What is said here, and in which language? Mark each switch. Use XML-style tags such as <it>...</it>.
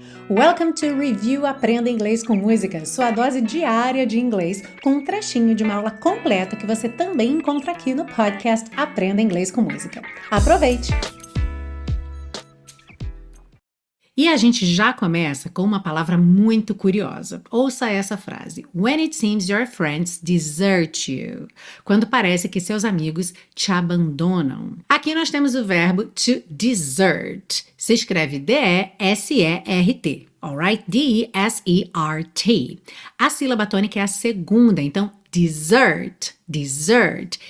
<pt>Welcome to Review Aprenda Inglês com Música, sua dose diária de inglês com um trechinho de uma aula completa que você também encontra aqui no podcast Aprenda Inglês com Música. Aproveite! E a gente já começa com uma palavra muito curiosa. Ouça essa frase.</pt> <en>When it seems your friends desert you.</en> <pt>Quando parece que seus amigos te abandonam. Aqui nós temos o verbo to desert. Se escreve D-E-S-E-R-T. Alright? D-E-S-E-R-T. A sílaba tônica é a segunda, então desert, desert.</pt>